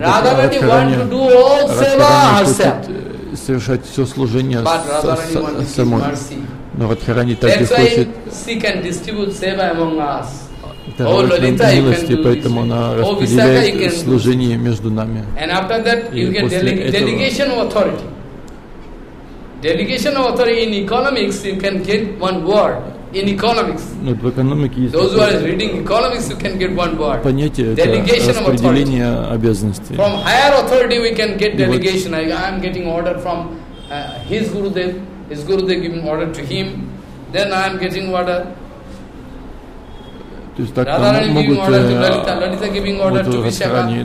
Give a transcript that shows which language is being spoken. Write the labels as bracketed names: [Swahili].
[Russian] как [English] Радхарани. Радхарани want to do all seva herself. [Russian] Совершать все служение самой. Но Радхарани так и хочет. [English] She can distribute seva among us. [Russian] Это Лолита, нам милости, поэтому она распределяет служение между нами. [English] And after that, you get delegation of authority. Delegation of authority in economics, you can get one word. In economics. [Russian] Ну, в экономике есть. [English] Those who are reading economics, you can get one word. [Russian] Понятие это распределение обязанностей. [English] From higher authority, we can get delegation. Вот. I am getting order from his Gurudev. His Gurudev giving order to him. Then I am getting order. [Russian] То есть так там могут вот в Радхаране